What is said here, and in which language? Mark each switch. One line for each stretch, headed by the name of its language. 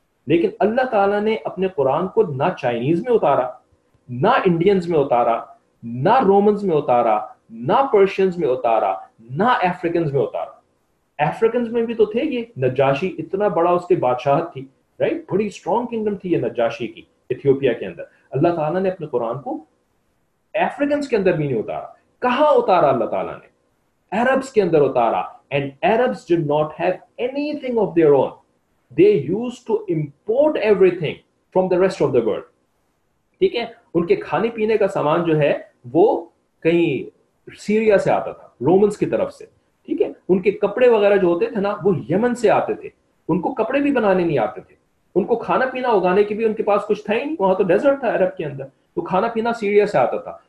Urdu: لیکن اللہ تعالیٰ نے اپنے قرآن کو نہ چائنیز میں اتارا, نہ انڈینز میں اتارا, نہ رومنز میں اتارا, نہ پرشینز میں اتارا, نہ افریقنز میں اتارا. افریقنز میں بھی تو تھے یہ نجاشی, اتنا بڑا اس کی بادشاہت تھی, رائٹ, بڑی اسٹرانگ کنگڈم تھی یہ نجاشی کی ایتھیوپیا کے اندر. اللہ تعالیٰ نے اپنے قرآن کو افریقنز کے اندر بھی نہیں اتارا. کہاں اتارا اللہ تعالیٰ نے؟ عربز کے اندر اتارا.
English: And Arabs did not have anything of their own, they used to import everything from the rest of the world.
Urdu: ٹھیک ہے, ان کے کھانے پینے کا سامان جو ہے وہ کہیں سیریا سے آتا تھا, رومنز کی طرف سے. ٹھیک ہے, ان کے کپڑے وغیرہ جو ہوتے تھے نا وہ یمن سے آتے تھے, ان کو کپڑے بھی بنانے نہیں آتے تھے, ان کو کھانا پینا اگانے کے بھی ان کے پاس کچھ تھا ہی نہیں, وہاں تو ڈیزرٹ تھا عرب کے اندر, تو کھانا پینا سیریا سے آتا تھا.